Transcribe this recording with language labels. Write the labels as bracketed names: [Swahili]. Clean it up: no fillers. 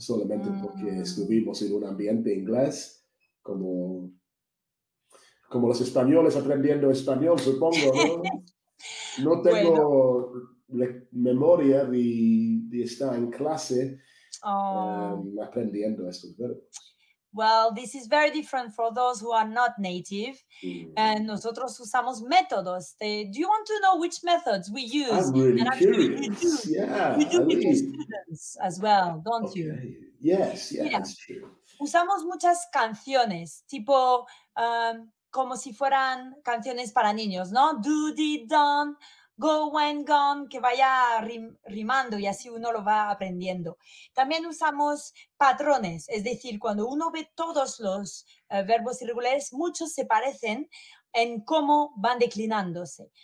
[Spanish] Solamente porque estuvimos en un ambiente inglés, como los españoles aprendiendo español, supongo, ¿no? No tengo memoria de estar en clase aprendiendo estos verbos. [English] Well, this is very different for those who are not native. And [Spanish] nosotros usamos métodos. [English] Do you want to know which methods we use? I'm really curious. We do with students as well, don't you? Yes, that's true. [Spanish] Usamos muchas canciones, tipo como si fueran canciones para niños, ¿no? [English] Do, did, done, go, when, gone, [Spanish] que vaya rimando y así uno lo va aprendiendo. También usamos patrones, es decir, cuando uno ve todos los verbos irregulares, muchos se parecen en cómo van declinándose.